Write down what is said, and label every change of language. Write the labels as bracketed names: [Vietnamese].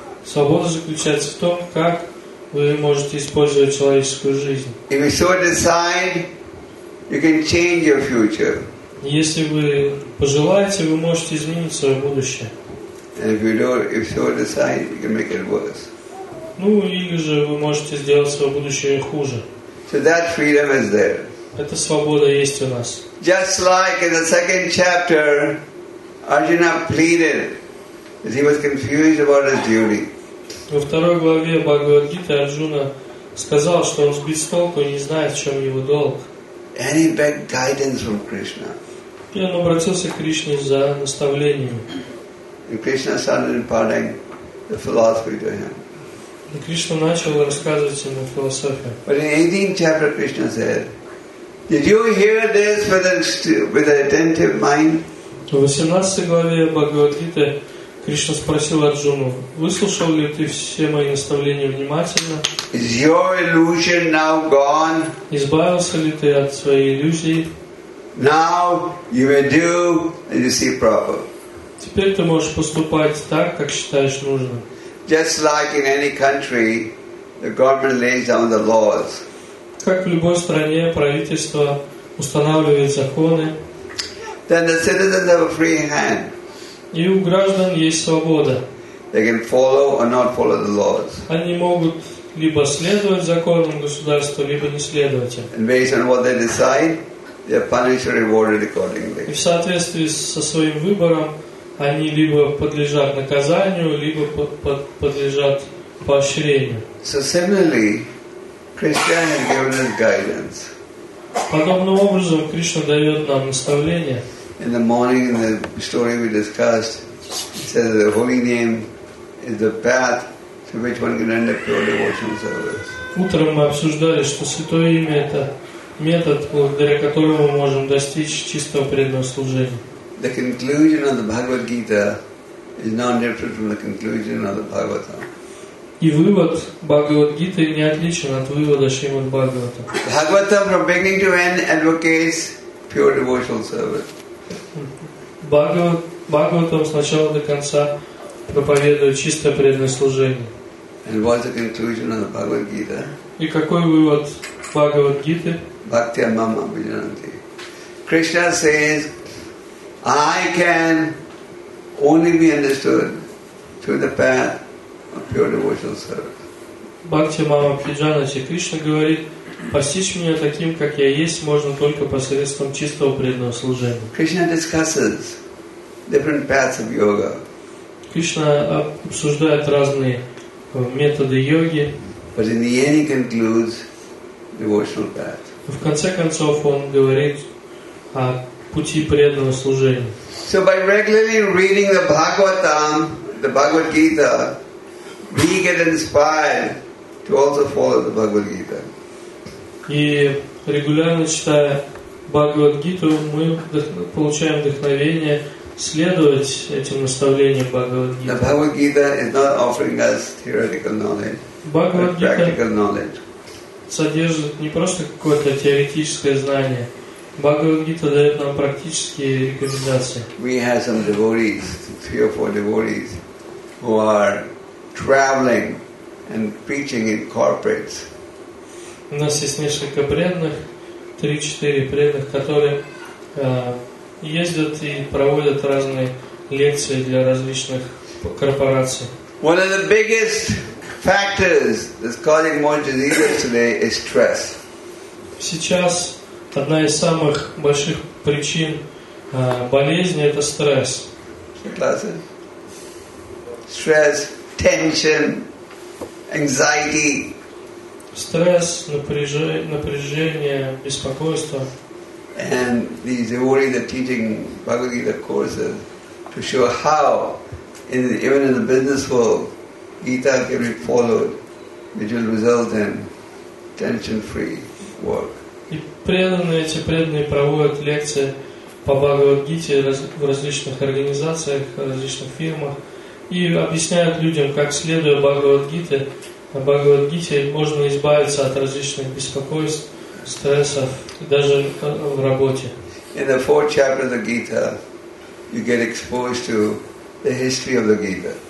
[Russian] Свобода заключается в том, как вы можете использовать человеческую жизнь. [English] If you so decide, you can change your future. [Russian] Если вы пожелаете, вы можете изменить свое будущее. [English] And if you don't, if so decide, you can make it worse. [Russian] Ну или же вы можете сделать свое будущее хуже. [English] So that freedom is there. [Russian] Эта свобода есть у нас. [English] Just like in the second chapter, Arjuna pleaded, as he was confused about his duty. [Russian] Во второй главе Бхагавад-гиты Арджуна сказал, что он сбит с толку и не знает, в чем его долг. [English] And he begged guidance from Krishna. [Russian] И он обратился к Кришне за наставлением. [English] And Krishna started imparting the philosophy to him. [Russian] И Кришна начал рассказывать ему философию. [English] But in 18th chapter, Krishna said, "Did you hear this with an attentive mind?" [Russian] В 18 главе Бхагавад-гиты Кришна спросил Арджуну, выслушал ли ты все мои наставления внимательно? [English] Is your illusion now gone? [Russian] Избавился ли ты от своей иллюзии? [English] Now you may do and you see proper. [Russian] Теперь ты можешь поступать так, как считаешь нужным. [English] Just like in any country, the government lays down the laws. [Russian] Как в любой стране правительство устанавливает законы. [English] Then the citizens have a free hand. [Russian] И у граждан есть свобода. [English] They can follow or not follow the laws. [Russian] Они могут либо следовать законам государства, либо не следовать им. [English] And based on what they decide, they are punished or rewarded accordingly. [Russian] И в соответствии со своим выбором они либо подлежат наказанию, либо подлежат поощрению. [English] So similarly, Krishna has given us guidance. [Russian] Подобным образом Кришна дает нам наставление. [English] In the morning, in the story we discussed, it says that the holy name is the path through which one can enter pure devotional service. [Russian] Утром мы обсуждали, что святое имя — это метод, благодаря которому мы можем достичь чистого преданного служения. [English] The conclusion of the Bhagavad Gita is not different from the conclusion of the Bhagavatam. [Russian] И вывод Бхагавад Гиты не отличен от вывода Шримад Бхагаватам. [English] Bhagavatam from beginning to end advocates pure devotional service. [Russian] Бхагаватам с начала до конца проповедует чистое преданное служение. [English] And what is the conclusion of the Bhagavad Gita? [Russian] И какой вывод Бхагавад Гиты? [Sanskrit] Bhaktya mam abhijananti. [English] Krishna says, I can only be understood through the path of pure devotional service. [Sanskrit] Bhaktya mam abhijananti. [Russian] Кришна говорит, постичь меня таким, как я есть, можно только посредством чистого преданного служения. [English] Krishna discusses different paths of yoga. [Russian] Кришна обсуждает разные методы йоги. [English] But in the end, he concludes devotional path. [Russian] В конце концов он говорит о пути преданного служения. [English] So by regularly reading the Bhagavatam, the Bhagavad Gita, we get inspired to also follow the Bhagavad Gita. [Russian] И регулярно читая Бхагавад-гиту, мы получаем вдохновение следовать этим наставлениям Бхагавад-гиты. [English] The Bhagavad-gita is not offering us theoretical knowledge, Bhagavad-gita but practical knowledge. [Russian] Содержит не просто какое-то теоретическое знание, Бхагавад-гита дает нам практические рекомендации. [English] We have some devotees, three or four devotees, who are traveling and preaching in corporates. [Russian] У нас есть несколько преданных, 3-4 преданных, которые ездят и проводят разные лекции для различных корпораций. [English] One of the biggest factors that's causing more diseases today is stress. [Russian] Сейчас одна из самых больших причин болезни — это стресс. [English] Stress, tension, anxiety. [Russian] Стресс, напряжение, беспокойство. [English] And these devotees are teaching Bhagavad Gita courses to show how, even in the business world, Gita can be followed, which will result in tension-free work. [Russian] И преданные, эти преданные проводят лекции по Бхагавад-гите в различных организациях, в различных фирмах и объясняют людям, как, следуя Бхагавад-гите, можно избавиться от различных беспокойств, стрессов, даже в работе. [English] In the fourth chapter of the Gita, you get exposed to the history of the Gita.